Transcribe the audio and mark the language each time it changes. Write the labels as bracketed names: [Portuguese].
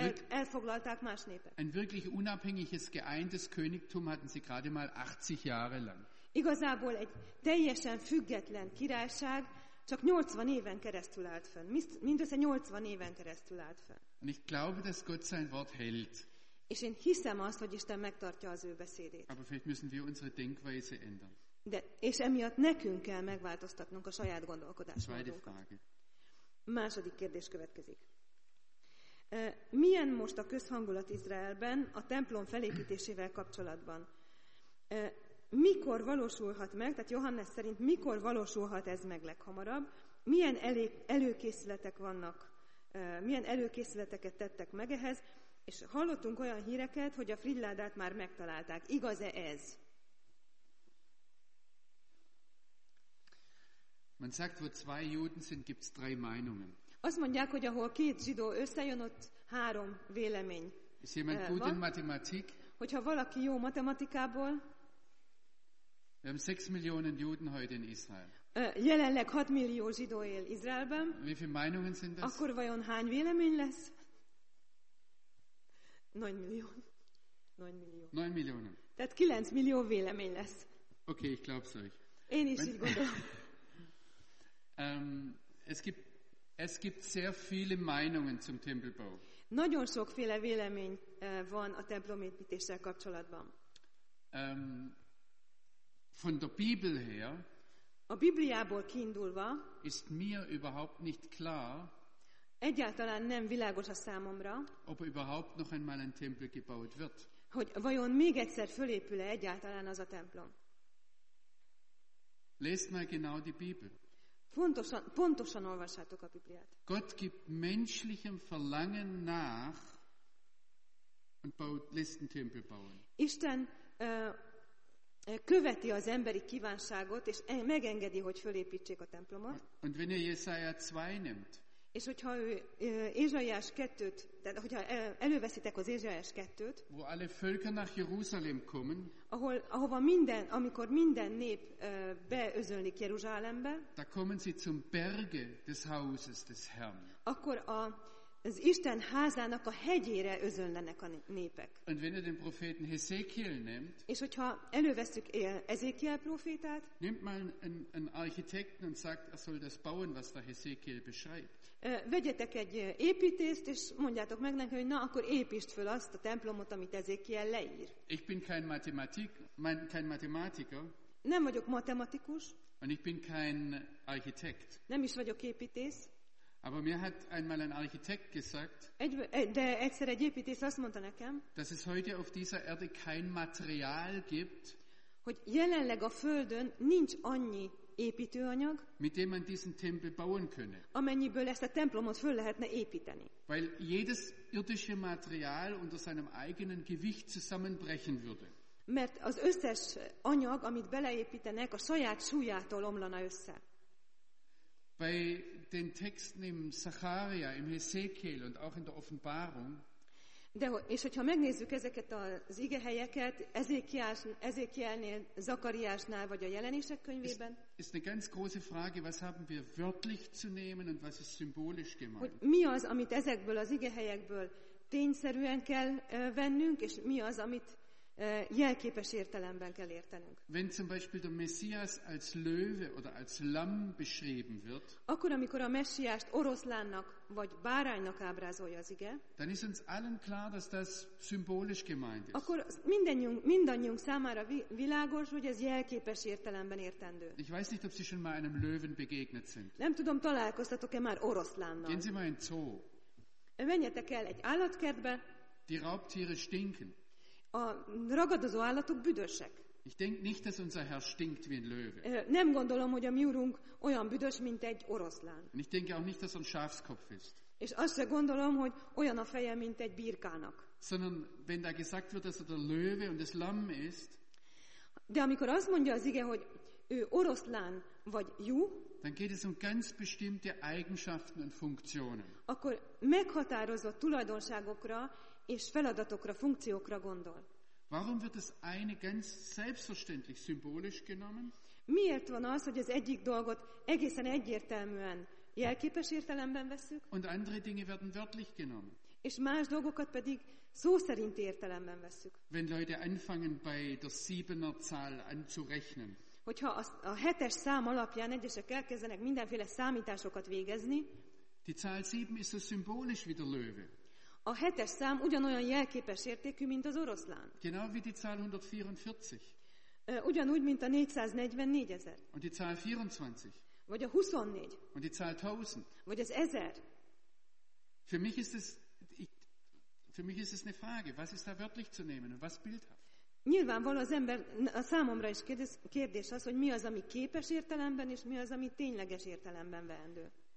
[Hungarian] Elfoglalták más népek. [German] Ein wirklich unabhängiges, geeintes Königtum hatten sie gerade mal 80 Jahre lang. [Hungarian] Igazából egy teljesen független királyság csak 80 éven keresztül állt fönn. Mindössze 80 éven keresztül állt fönn. [German] Und ich glaube, dass Gott sein Wort hält. [Hungarian] És én hiszem azt, hogy Isten megtartja az ő beszédét. [German] Aber vielleicht müssen wir unsere Denkweise ändern. [Hungarian] De, és emiatt nekünk kell megváltoztatnunk a saját gondolkodásmódunkat. Második kérdés következik. Milyen most a közhangulat Izraelben a templom felépítésével kapcsolatban? Mikor valósulhat meg, tehát Johannes szerint mikor valósulhat ez meg leghamarabb? Milyen előkészületek vannak, milyen előkészületeket tettek meg ehhez? És hallottunk olyan híreket, hogy a Frilládát már megtalálták. Igaz-e ez? [German] Man sagt, wo zwei Juden sind, gibt's drei Meinungen. [Hungarian] Azt mondják, hogy ahol két zsidó összejön, ott három vélemény. [German] Ist jemand gut in Mathematik? [Hungarian] Hogyha valaki jó matematikából. [German] Wir haben 6 Millionen Juden heute in Israel. [Hungarian] Jelenleg 6 millió zsidó él Izraelben. [German] Wie viele Meinungen sind das? [Hungarian] Akkor vajon hány vélemény lesz? 9 millió. 9 millió. [German] 9 Millionen. [Hungarian] Tehát 9 millió vélemény lesz. [German] Okay, ich glaub's euch. [Hungarian] Én is így gondolom. [German] es gibt sehr viele Meinungen zum Tempelbau. [Hungarian] Nagyon sokféle vélemény van a templomépítéssel kapcsolatban. [German] Von der Bibel her, [Hungarian] a Bibliából kiindulva, [German] ist mir überhaupt nicht klar, [Hungarian] egyáltalán nem világos a számomra, [German] ob überhaupt noch einmal ein Tempel gebaut wird. [Hungarian] Hogy vajon még egyszer fölépül-e egyáltalán az a templom? [German] Lest mal genau die Bibel. [Hungarian] Pontosan olvassátok a Bibliát. [German] Gott gibt menschlichem Verlangen nach und baut, lässt einen Tempel bauen. [Hungarian] Isten követi az emberi kívánságot, és megengedi, hogy fölépítsék a templomot. [German] Und wenn ihr Jesaja 2 nimmt, [Hungarian] és hogyha ő Ézsaiás 2-t, tehát hogyha előveszitek az Ézsaiás 2-t, [German] wo alle Völker nach Jerusalem kommen, [Hungarian] ahova minden, amikor minden nép beözönlik Jeruzsálembe, [German] da kommen sie zum Berge des Hauses des Herrn. [Hungarian] Akkor az Isten házának a hegyére özönlenek a népek. [German] Und wenn ihr den Propheten Hesekiel nimmt, [Hungarian] és hogyha előveszük Ezékiel prófétát, [German] nimmt mal einen Architekten und sagt, er soll das bauen, was da Hesekiel beschreibt. [Hungarian] Vegyetek egy építést, és mondjátok meg neki, hogy na, akkor építsd föl azt a templomot, amit Ezékiel leír. [German] Ich bin kein Mathematiker. [Hungarian] Nem vagyok matematikus. [German] Und ich bin kein Architekt. [Hungarian] Nem is vagyok építész. [German] Aber mir hat einmal ein Architekt gesagt, [Hungarian] de egyszer egy építész azt mondta nekem, [German] dass es heute auf dieser Erde kein Material gibt, [Hungarian] hogy jelenleg a Földön nincs annyi építőanyag, [German] mit dem man diesen Tempel bauen könne, [Hungarian] amennyiből ezt a templomot föl lehetne építeni. [German] Weil jedes irdische Material unter seinem eigenen Gewicht zusammenbrechen würde. [Hungarian] Mert az összes anyag, amit beleépítenek, a saját súlyától omlana össze. [German] Bei den Texten im Zacharia, im Hesekiel und auch in der Offenbarung. [Hungarian] De, és hogyha megnézzük ezeket az igehelyeket, Ezékielnél, Zakariásnál vagy a Jelenések könyvében. [German] Ist eine ganz große Frage, was haben wir wörtlich zu nehmen und was ist symbolisch gemeint? [Hungarian] Hogy mi az, amit ezekből az igehelyekből tényszerűen kell vennünk, és mi az, amit jelképes értelemben kell értenünk. [German] Wenn zum Beispiel der Messias als Löwe oder als Lamm beschrieben wird, [Hungarian] akkor amikor a Messiást oroszlánnak vagy báránynak ábrázolja az ige, [German] dann ist uns allen klar, dass das symbolisch gemeint ist. [Hungarian] Akkor mindannyiunk számára világos, hogy ez jelképes értelemben értendő. [German] Ich weiß nicht, ob Sie schon mal einem Löwen begegnet sind. [Hungarian] Nem tudom, találkoztatok-e már oroszlánnal. [German] Gehen Sie mal in Zoo. [Hungarian] Menjetek el egy állatkertbe. [German] Die Raubtiere stinken. [Hungarian] A ragadozó állatok büdösek. [German] Ich denk nicht, dass unser Herr stinkt wie ein Löwe. [Hungarian] Nem gondolom, hogy a mi urunk olyan büdös, mint egy oroszlán. [German] Und ich denke auch nicht, dass er ein Schafskopf ist. [Hungarian] És azt se gondolom, hogy olyan a feje, mint egy birkának. [German] Sondern wenn da gesagt wird, dass er der Löwe und das Lamm ist, [Hungarian] de amikor azt mondja az ige, hogy ő oroszlán vagy juh, [German] dann geht es um ganz bestimmte Eigenschaften und Funktionen. [Hungarian] Akkor meghatározott tulajdonságokra és feladatokra, funkciókra gondol. [German] Warum wird das eine ganz selbstverständlich symbolisch genommen? [Hungarian] Miért van az, hogy az egyik dolgot egészen egyértelműen jelképes értelemben veszük? [German] Und andere Dinge werden wörtlich genommen. [Hungarian] És más dolgokat pedig szó szerint értelemben veszük. [German] Wenn Leute anfangen bei der siebener Zahl anzurechnen. [Hungarian] Hogyha a hetes szám alapján egyesek elkezdenek mindenféle számításokat végezni. [German] Die Zahl 7 ist so symbolisch wie der Löwe. [Hungarian] A hetes szám ugyanolyan jelképes értékű, mint az oroszlán. [German] Genau wie die Zahl 144. [Hungarian] Ugyanúgy, mint a 444 ezer. [German] Und die Zahl 24. [Hungarian] Vagy a 24. [German] Und die Zahl 1000. [Hungarian] Vagy az 1000. [German] Für mich ist es eine Frage, was ist da wörtlich zu nehmen und was bildhaft? [Hungarian] Nyilvánvaló az ember a számomra is kérdés az, hogy mi az, ami képes értelemben, és mi az, ami tényleges értelemben veendő.